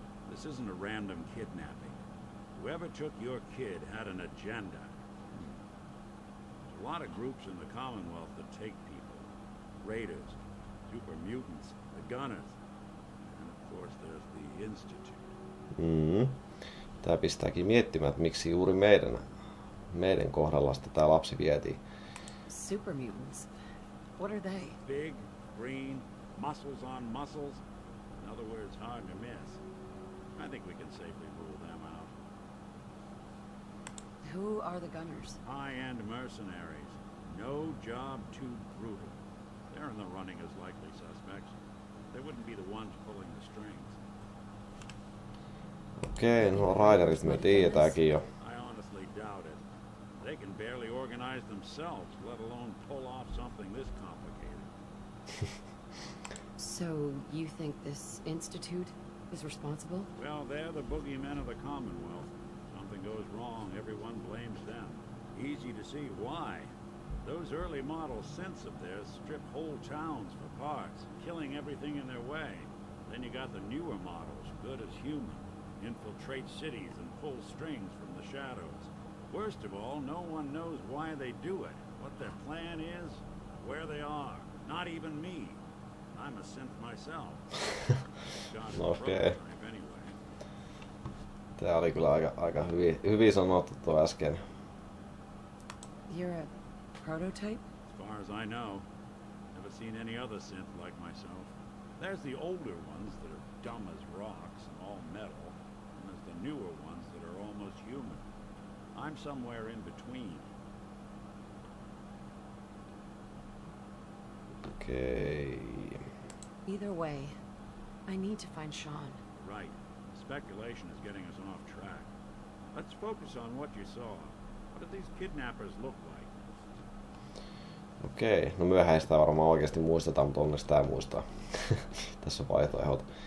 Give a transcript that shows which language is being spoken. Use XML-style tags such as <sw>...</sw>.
<en>This isn't a random kidnapping. Whoever took your kid had an agenda. A lot of groups in the Commonwealth that take people. Raiders, super mutants, the gunners. And of course there's the Institute.</en> <fi>Tää pistääkin miettimään, että miksi juuri meidän kohdalla sitä tää lapsi vieti.</fi> <en>Super mutants. What are they? Big, green, muscles on muscles. In other words, hard to miss. I think we can safely rule them out. Who are the gunners? High-end mercenaries. No job too brutal. They're in the running as likely suspects. They wouldn't be the ones pulling the strings.</en> <fi>Okei, no Raiderit me tietääkin jo.</fi> <en>I honestly doubt it. They can barely organize themselves, let alone pull off something this complicated. So, you think this institute is responsible? Well, they're the boogeymen of the Commonwealth. Something goes wrong, everyone blames them. Easy to see why. Those early model synths of theirs strip whole towns for parts, killing everything in their way. Then you got the newer models, good as human, infiltrate cities and pull strings from the shadows. Worst of all, no one knows why they do it, what their plan is, where they are. Not even me. I'm a synth myself. Okay.</en> <fi>Tää oli kyllä aika hyvin sanottu tuo äsken.</fi> <en>You're a prototype? As far as I know. Never seen any other synth like myself. There's the older ones that are dumb as rocks and all metal. And there's the newer ones that are almost human. I'm somewhere in between. Okay. Either way, I need to find Sean. Right. Speculation is getting us off track. Let's focus on what you saw. What did these kidnappers look like?</en> <fi>Okei, no myöhään sitä varmaan oikeasti muistetaan, mutta onneksi tämä muistaa. Tässä on vaihtoehdot.</fi>